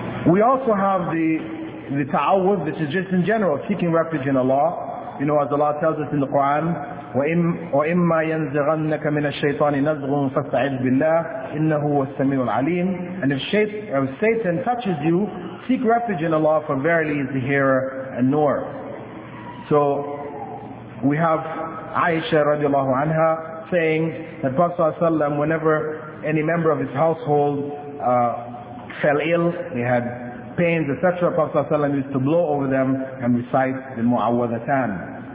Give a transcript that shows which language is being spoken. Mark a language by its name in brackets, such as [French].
[English] We also have the ta'awwud, which is just in general, seeking refuge in Allah. You know, as Allah tells us in the Qur'an, [Arabic] وَإِمَّا يَنْزِغَنَّكَ مِنَ الشَّيْطَانِ نَزْغٌ فَاسْتَعِذْ بِاللَّهِ إِنَّهُ وَالسَّمِيعُ الْعَلِيمُ. [English] And if Satan touches you, seek refuge in Allah, for verily is the hearer and knower. So we have Aisha radiallahu anha saying that Prophet ﷺ, whenever any member of his household fell ill, they had pains, etc., Prophet ﷺ used to blow over them and recite the mu'awwadhatan.